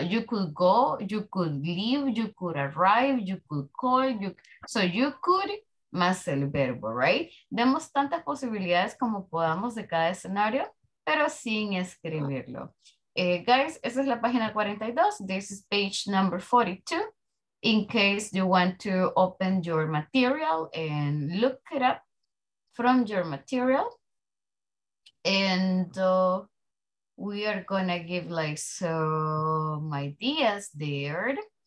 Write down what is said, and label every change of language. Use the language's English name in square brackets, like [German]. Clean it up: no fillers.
[English] You could go, you could leave, you could arrive, you could call. So you could [Spanish] más el verbo, [English] right? [Spanish] Demos tantas posibilidades como podamos de cada escenario, pero sin escribirlo. [English] Guys, [Spanish] esa es la página 42. [English] This is page number 42. In case you want to open your material and look it up from your material. And we are gonna give like some ideas there.